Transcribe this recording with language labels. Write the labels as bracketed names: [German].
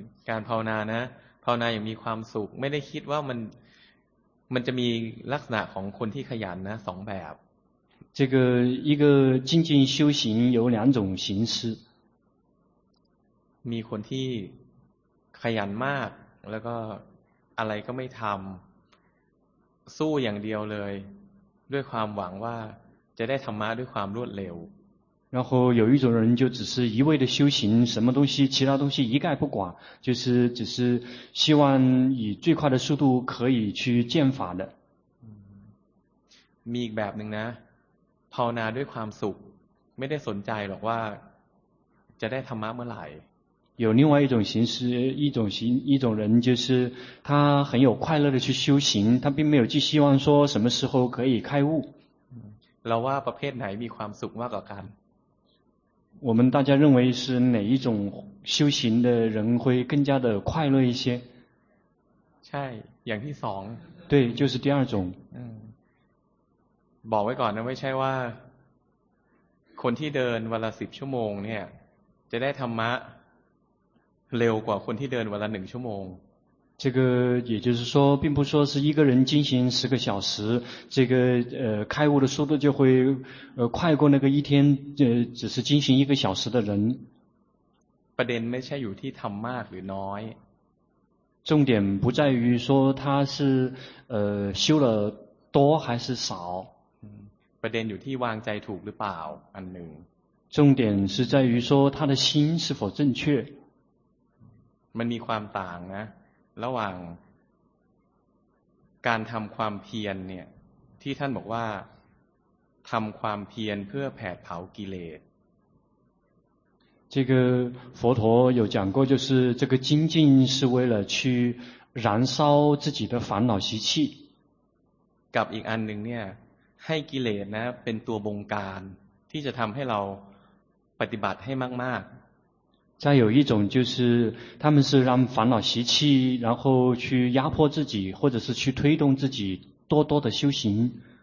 [Thai] การภาวนานะภาวนาอย่างมีความสุขไม่ได้คิดว่ามันจะมีลักษณะของคนที่ขยันนะสองแบบ [Chinese] 这个一个静静修行有两种形式 [Thai] มีคนที่ขยันมากแล้วก็อะไรก็ไม่ทำสู้อย่างเดียวเลยด้วยความหวังว่าจะได้ธรรมะด้วยความรวดเร็ว [Chinese] 然后有一种人就只是一味的修行什么东西其他东西一概不管就是只是希望以最快的速度可以去见法的 [Thai] มีอีกแบบหนึ่งนะภาวนาด้วยความสุขไม่ได้สนใจหรอกว่าจะได้ธรรมะเมื่อไหร่ [Chinese] 有另外一种形式一种人就是他很有快乐的去修行他并没有寄希望说什么时候可以开悟 [Thai] เราว่าประเภทไหนมีความสุขมากกว่ากัน [Chinese] 我们大家认为是哪一种修行的人会更加的快乐一些 [Thai] ใช่อย่างที่สอง [Chinese] 对就是第二种 [Thai] บอกไว้ก่อนนะไม่ใช่ว่าคนที่เดินวันละสิบชั่วโมงเนี่ยจะได้ธรรมะเร็วกว่าคนที่เดินวันละหนึ่งชั่วโมง [Chinese] 这个也就是说并不说是一个人进行十个小时这个开悟的速度就会快过那个一天只是进行一个小时的人 [Thai] ประเด็นไม่ใช่อยู่ที่ทำมากหรือน้อย [Chinese] 重点不在于说他是修了多还是少 [Thai] ประเด็นอยู่ที่วางใจถูกหรือเปล่าอันหนึ่ง [Chinese] 重点是在于说他的心是否正确 [Thai] มันมีความต่างนะระหว่างการทำความเพียรเนี่ยที่ท่านบอกว่าทำความเพียรเพื่อแผดเผากิเลส [Chinese] 这个佛陀有讲过就是这个精进是为了去燃烧自己的烦恼习气 [Thai] กับอีกอันหนึ่งเนี่ยให้กิเลสนะเป็นตัวบงการที่จะทำให้เราปฏิบัติให้มากๆ [Chinese] 再有一种就是他们是让烦恼习气然后去压迫自己或者是去推动自己多多的修行